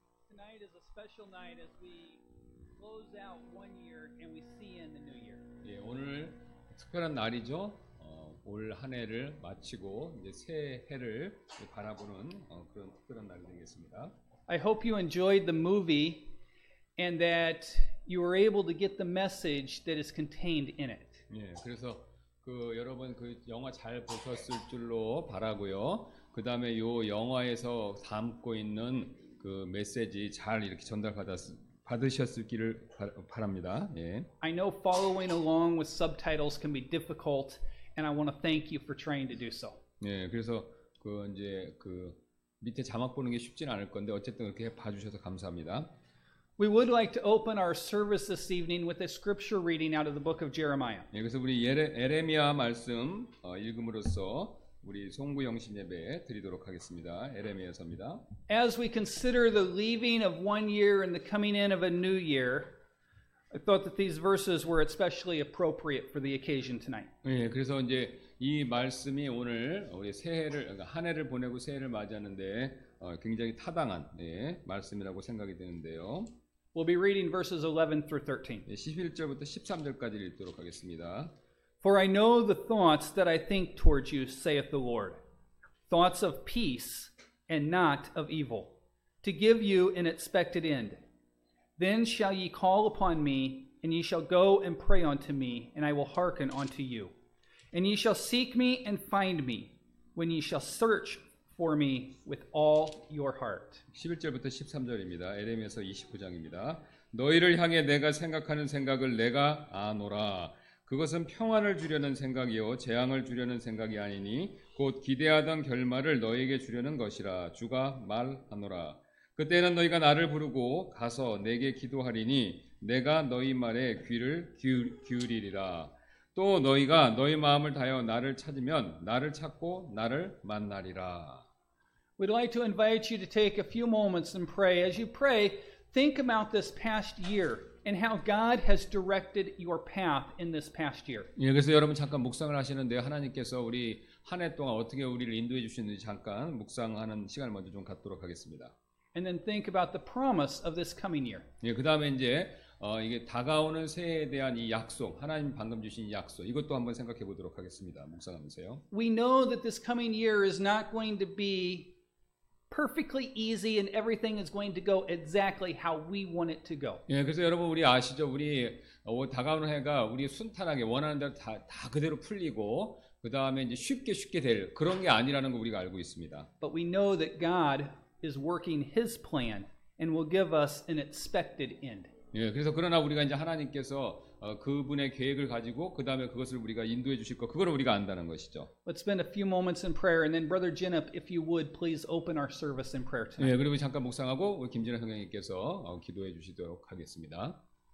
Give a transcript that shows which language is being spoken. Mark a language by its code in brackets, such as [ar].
[en] tonight is a special night as we close out 1 year and we see in the new year. [ko] 예, 오늘 특별한 날이죠. 올 한 해를 마치고 이제 새 해를 바라보는 그런 특별한 날이 되겠습니다. [en] I hope you enjoyed the movie and that you were able to get the message that is contained in it. [ko] 예, 그래서 그 여러분 그 영화 잘 보셨을 줄로 바라고요. 그다음에 요 영화에서 담고 있는 그 메시지 잘 이렇게 받으셨기를 바랍니다. 예. [en] I know following along with subtitles can be difficult and I want to thank you for trying to do so. [ko] 예, 그래서 그 이제 그 밑에 자막 보는 게 쉽진 않을 건데 어쨌든 그렇게 봐 주셔서 감사합니다. [en] We would like to open our service this evening with a scripture reading out of the book of Jeremiah. [ko] 예, 그래서 우리 예레미야 말씀 읽음으로써 우리 송구 영신 예배 드리도록 하겠습니다. 예레미야서입니다. [en] As we consider the leaving of 1 year and the coming in of a new year, I thought that these verses were especially appropriate for the occasion tonight. [ko] 예, 그래서 이제 이 말씀이 오늘 우리 새해를 그러니까 한 해를 보내고 새해를 맞이하는데 굉장히 타당한 예, 말씀이라고 생각이 되는데요. [en] We'll be reading verses 11 through 13. [ko] 예, 11절부터 13절까지 읽도록 하겠습니다. [en] For I know the thoughts that I think towards you, saith the Lord. Thoughts of peace and not of evil, to give you an expected end. Then shall ye call upon me, and ye shall go and pray unto me, and I will hearken unto you. And ye shall seek me and find me, when ye shall search for me with all your heart. [ko] 11절부터 13절입니다. 예레미야서 29장입니다. 너희를 향해 내가 생각하는 생각을 내가 아노라. 그것은 평안을 주려는 생각이요 재앙을 주려는 생각이 아니니 곧 기대하던 결말을 너에게 주려는 것이라 주가 말하노라. 그때는 너희가 나를 부르고 가서 내게 기도하리니 내가 너희 말에 귀를 기울이리라. 또 너희가 너희 마음을 다하여 나를 찾으면 나를 찾고 나를 만나리라. [en] We'd like to invite you to take a few moments and pray. As you pray, think about this past year. And how God has directed your path in this past year. [ko] 예, 그래서 여러분 잠깐 묵상을 하시는데 하나님께서 우리 한 해 동안 어떻게 우리를 인도해 주셨는지 잠깐 묵상하는 시간을 먼저 좀 갖도록 하겠습니다. [en] And then think about the promise of this coming year. [ko] 예, 그다음에 이제 이게 다가오는 새해에 대한 이 약속, 하나님 방금 주신 약속, 이것도 한번 생각해 보도록 하겠습니다. 묵상하면서요. [en] We know that this coming year is not going to be perfectly easy and everything is going to go exactly how we want it to go. [ko] 예, 그래서 여러분 우리 아시죠? 우리 다가오는 해가 우리 순탄하게 원하는 대로 다 그대로 풀리고 그다음에 이제 쉽게 될 그런 게 아니라는 거 우리가 알고 있습니다. [en] But we know that God is working his plan and will give us an expected end. [ko] 예, 그래서 그러나 우리가 이제 하나님께서 그분의 계획을 가지고 그다음에 그것을 우리가 인도해 주실 거 그걸 우리가 안다는 것이죠. [en] Let's spend a few moments in prayer and then Brother Jinup, if you would please open our service in prayer tonight. [ko] 예, 그리고 잠깐 묵상하고 우리 김진업 형님께서 기도해 주시도록 하겠습니다.